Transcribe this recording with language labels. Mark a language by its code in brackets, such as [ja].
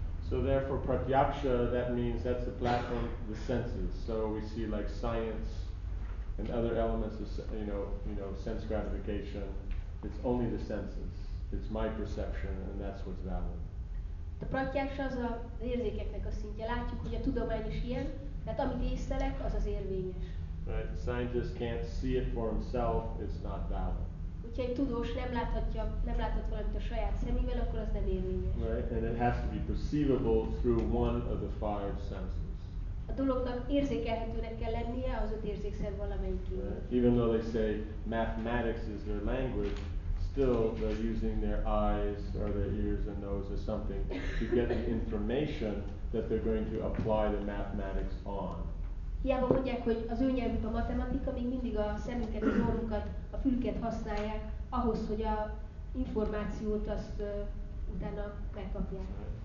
[en] So therefore pratyaksha, that means that's the platform of the senses. So we see like science and other elements of you know sense gratification. It's only the senses. It's my perception and that's what's valid. [hu] The pratyaksha az a érzékeknek a szintje. Látjuk, hogy a tudomány is ilyen, tehát amit észlelek, az az érvényes. [en] Right, the scientist can't see it for himself, it's not valid. [hu] Hogyha egy tudós nem láthat valamit a saját szemével, akkor az nem érvényes. [en] Right, and it has to be perceivable through one of the five senses. [hu] A dolognak érzékelhetőnek kell lennie az öt érzékszer valamelyikén. [en] Right. Even though they say mathematics is their language, still they're using their eyes or their ears and nose or something to get the information that they're going to apply the mathematics on. [hu] Hiába mondják, hogy az ő nyelvük a matematika, még mindig a szemünket, az orrunkat, a fülket használják ahhoz, hogy a információt azt utána megkapják.